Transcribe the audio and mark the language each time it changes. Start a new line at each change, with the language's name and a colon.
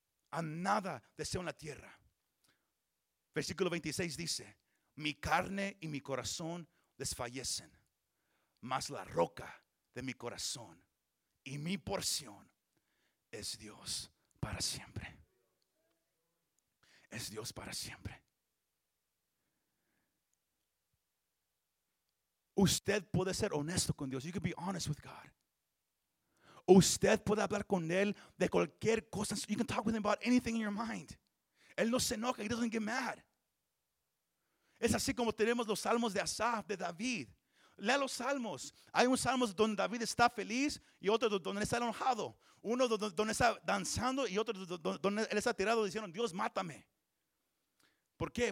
Spanish: A nada deseo en la tierra. Versículo 26 dice: mi carne y mi corazón desfallecen, mas la roca de mi corazón y mi porción es Dios para siempre. Es Dios para siempre. Usted puede ser honesto con Dios.
English: You can be honest with God.
Spanish: Usted puede hablar con Él de cualquier cosa.
English: You can talk with Him about anything in your mind.
Spanish: Él no se enoja.
English: He doesn't get mad.
Spanish: Es así como tenemos los salmos de Asaf, de David. Lea los salmos. Hay un salmo donde David está feliz y otro donde está enojado. Uno donde está danzando y otro donde él está tirado diciendo: Dios, mátame. ¿Por qué?